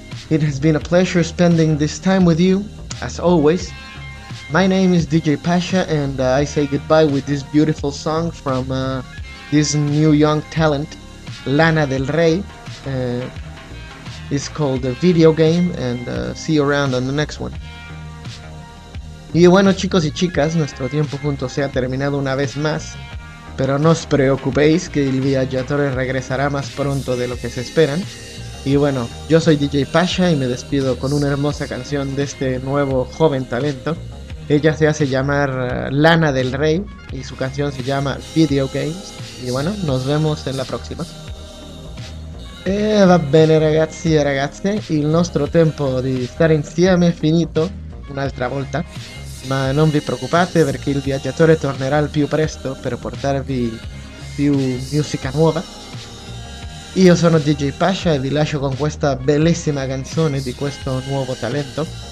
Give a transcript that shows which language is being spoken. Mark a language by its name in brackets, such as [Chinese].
[English] It has been a pleasure spending this time with you, as always. My name is DJ Pasha, and I say goodbye with this beautiful song from this new young talent, Lana Del Rey. It's called The Video Game, and see you around on the next one. [Spanish] Y bueno, chicos y chicas, nuestro tiempo juntos se ha terminado una vez más, pero no os preocupéis que el Viaggiatore regresará más pronto de lo que se esperan. Y bueno, yo soy DJ Pasha y me despido con una hermosa canción de este nuevo joven talento. Ella se hace llamar Lana del Rey y su canción se llama Video Games. Y bueno, nos vemos en la próxima. [Italian] Va bene ragazzi e ragazze, il nostro tempo di stare insieme è finito. Un'altra volta, ma non vi preoccupate, perché il viaggiatore tornerà al più presto per portarvi più musica nuova. Io sono DJ Pasha e vi lascio con questa bellissima canzone di questo nuovo talento.